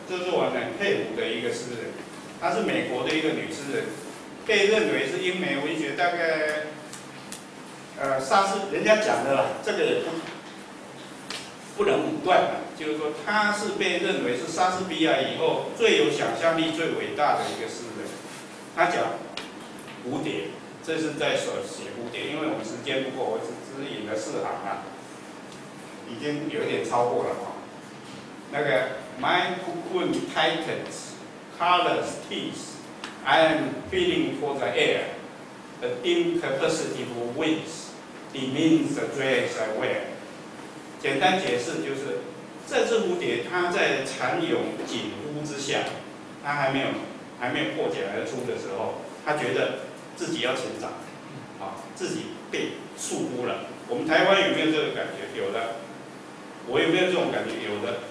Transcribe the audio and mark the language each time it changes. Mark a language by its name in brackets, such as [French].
[Chinese] 这是我很佩服的一个诗人，她是美国的一个女诗人，被认为是英美文学大概，莎士人家讲的啦，这个也不能武断的，就是说她是被认为是莎士比亚以后最有想象力、最伟大的一个诗人。她讲，蝴蝶，这是在所写蝴蝶，因为我们时间不够，我只引了四行啊，已经有点超过了哈、哦。 [English] 那个 My cocoon tightens, colors tease, I am feeling for the air, the dim capacity for wings, demands the dress I wear。 [Chinese] 简单解释就是，这只蝴蝶它在蚕蛹紧箍之下，它还没有破茧而出的时候，他觉得自己要成长，啊，自己被束缚了。我们台湾有没有这个感觉？有的。我有没有这种感觉？有的。